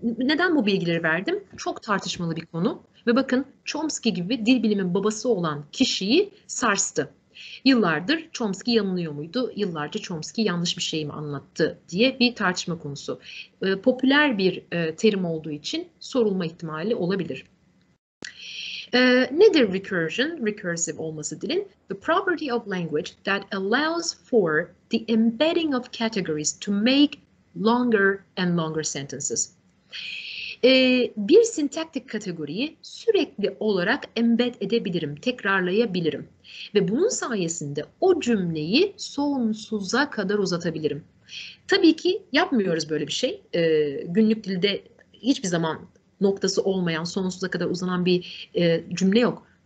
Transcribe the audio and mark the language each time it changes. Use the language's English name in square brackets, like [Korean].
[Turkish] Neden bu bilgileri verdim? Çok tartışmalı bir konu. Ve bakın Chomsky gibi dil bilimin babası olan kişiyi sarstı. Yıllardır Chomsky yanılıyor muydu? Yıllarca Chomsky yanlış bir şey mi anlattı diye bir tartışma konusu. Popüler bir terim olduğu için sorulma ihtimali olabilir. Nedir recursion, recursive olması dilin? [English] The property of language that allows for the embedding of categories to make longer and longer sentences. [Turkish] Bir sintaktik kategoriyi sürekli olarak embed edebilirim, tekrarlayabilirim. Ve bunun sayesinde o cümleyi sonsuza kadar uzatabilirim. Tabii ki yapmıyoruz böyle bir şey. Günlük dilde hiçbir zaman noktası olmayan, sonsuza kadar uzanan bir cümle yok.